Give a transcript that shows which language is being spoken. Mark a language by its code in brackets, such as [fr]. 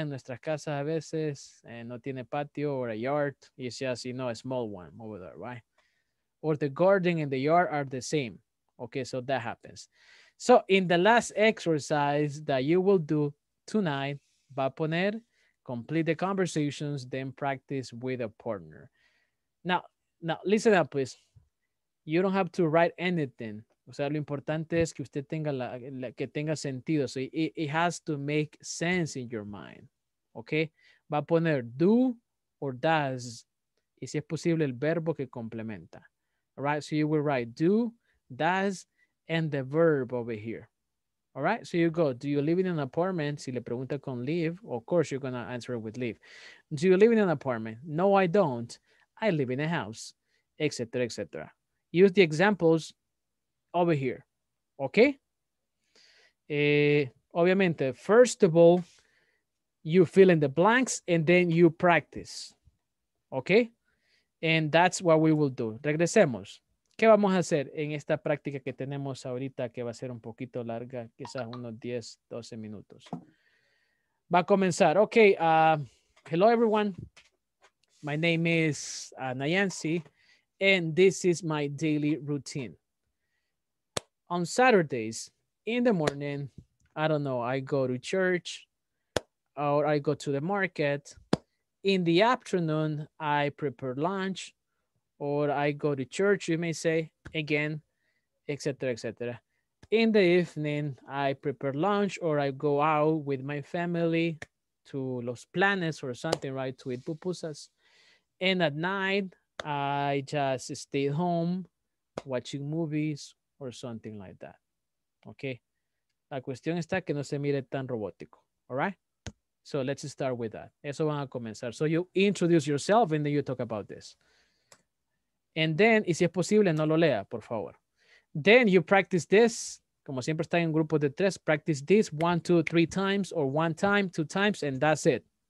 [es] En nuestras casas a veces no tiene patio [en] or a yard. It's just, you know, a small one over there, right? Or the garden and the yard are the same. Okay, so that happens. So, in the last exercise that you will do tonight, [es] va a poner... [en] Complete the conversations, then practice with a partner. Now, listen up, please. You don't have to write anything. [es] O sea, lo importante es que usted tenga que tenga sentido. [en] So it has to make sense in your mind. [es] Okay? Va a poner do or does. Y si es posible, el verbo que complementa. [en] All right? So you will write do, does, and the verb over here. All right, so you go, do you live in an apartment? [es] Si le pregunta con live, [en] of course, you're going to answer with live. Do you live in an apartment? No, I don't. I live in a house, etc., etc. Use the examples over here, okay? Obviamente, first of all, you fill in the blanks and then you practice, okay? And that's what we will do. [es] Regresemos. ¿Qué vamos a hacer en esta práctica que tenemos ahorita que va a ser un poquito larga, quizás unos 10, 12 minutos? Va a comenzar. [en] Ok, hello everyone. My name is Nayansi and this is my daily routine. On Saturdays in the morning, I don't know, I go to church or I go to the market. In the afternoon, I prepare lunch. Or I go to church, you may say, again, etc., etc. In the evening, I prepare lunch or I go out with my family to Los Planes or something, right, to eat pupusas. And at night, I just stay home watching movies or something like that, okay? [es] La cuestión está que no se mire tan robótico, [en] all right? So let's start with that. [es] Eso van a comenzar. [en] So you introduce yourself and then you talk about this. And then, [es] y si es posible, no lo lea, por favor. [en] Then you practice this. [es] Como siempre está en grupos de tres, [en] practice this 1, 2, 3 times or 1 time, 2 times, and that's it.